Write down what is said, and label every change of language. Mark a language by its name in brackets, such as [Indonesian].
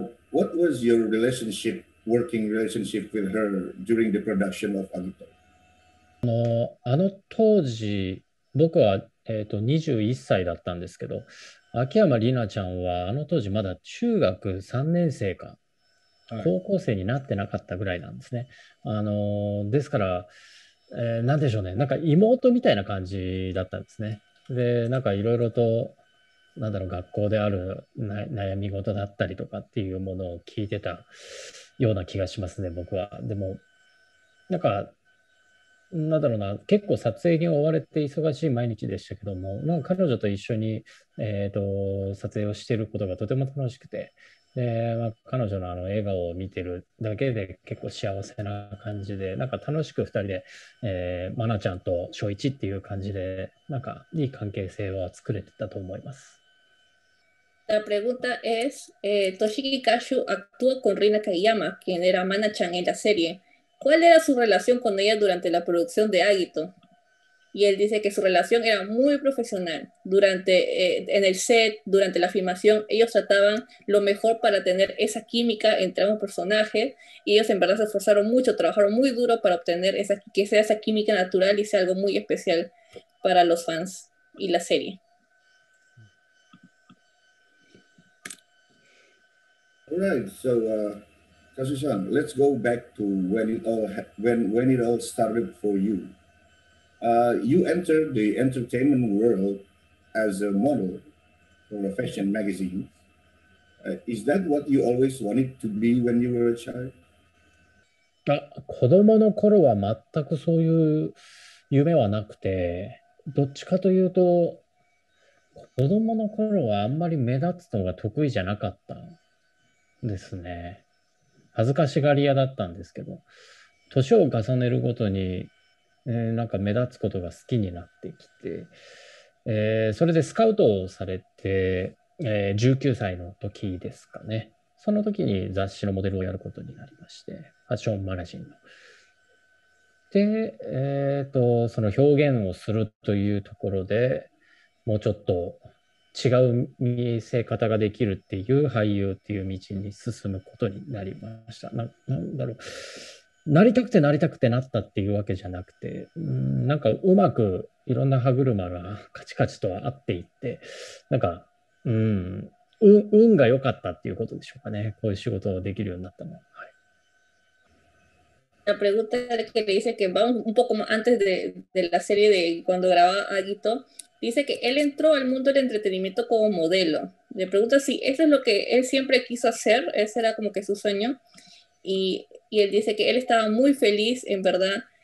[English] What was your working relationship with her during the production of Agito? [Japanese] あの当時、僕は、21歳だったんですけど、秋山里奈ちゃんはあの当時まだ中学3年生か、高校生になってなかったぐらいなんですね。ですから、なんでしょうね、なんか妹みたいな感じだったんですね。で、なんかいろいろと、なんだろう、学校である悩み事だったりとかっていうものを聞いてたような気がしますね、僕は。でも、なんか、なんだろうな、結構撮影に追われて忙しい毎日でしたけども、なんか彼女と一緒に、撮影をしてることがとても楽しくて、で、まあ、彼女のあの笑顔を見てるだけで結構幸せな感じで、なんか楽しく2人で、マナちゃんと翔一っていう感じで、なんかいい関係性は作れてたと思います。 [Spanish] La pregunta es, Toshiki Kashu actuó con Rina Kageyama, quien era Mana-chan en la serie. ¿Cuál era su relación con ella durante la producción de Agito? Y él dice que su relación era muy profesional. En el set, durante la filmación, ellos trataban lo mejor para tener esa química entre ambos personajes y ellos en verdad se esforzaron mucho, trabajaron muy duro para obtener que sea esa química natural y sea algo muy especial para los fans y la serie. [English] All right, so Kazu-san, let's go back to when it all started for you. You entered the entertainment world as a model for a fashion magazine. Is that what you always wanted to be when you were a child? [Japanese] 子供の頃は全くそういう夢はなくて、どっちかというと、子供の頃はあんまり目立つのが得意じゃなかったですね。恥ずかしがり屋だったんですけど、年を重ねるごとに、なんか目立つことが好きになってきて、それでスカウトをされて、19歳の時ですかね。その時に雑誌のモデルをやることになりまして、ファッションマガジンの。で、その表現をするというところでもうちょっと違う見せ方ができるっていう俳優っていう道に進むことになりました。なんだろう。なりたくてなりたくてなったっていうわけじゃなくて、なんかうまくいろんな歯車がカチカチと合っていって、なんか、運が良かったっていうことでしょうかね。こういう仕事をできるようになったのは。 [Spanish] La pregunta que le dice que va un poco más antes de la serie de cuando grababa Aguito, dice que él entró al mundo del entretenimiento como modelo. Le pregunta si eso es lo que él siempre quiso hacer, ese era como que su sueño. Y él dice que él estaba muy feliz, en verdad.